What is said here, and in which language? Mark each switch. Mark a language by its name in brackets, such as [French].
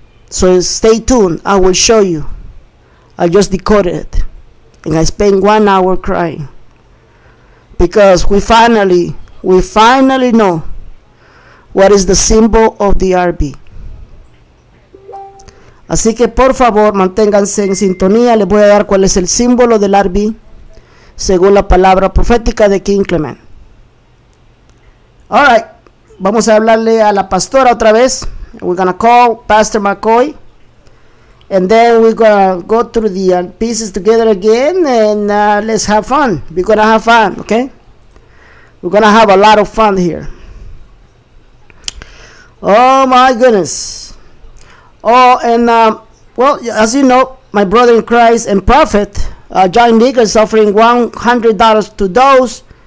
[English] So stay tuned. I will show you. I just decoded it. And I spent 1 hour crying because we finally know what is the symbol of the RB. [Spanish] Así que por favor manténganse en sintonía. Les voy a dar cuál es el símbolo del RB según la palabra profética de King Clement. [English] All right, [Spanish] vamos a hablarle a la pastora otra vez. [English] We're gonna call Pastor McCoy. And then we're going to go through the pieces together again, and let's have fun. We're going to have fun, okay? We're going to have a lot of fun here. Oh, my goodness. Oh, and, well, as you know, my brother in Christ and prophet, John Nick, is offering $100 to those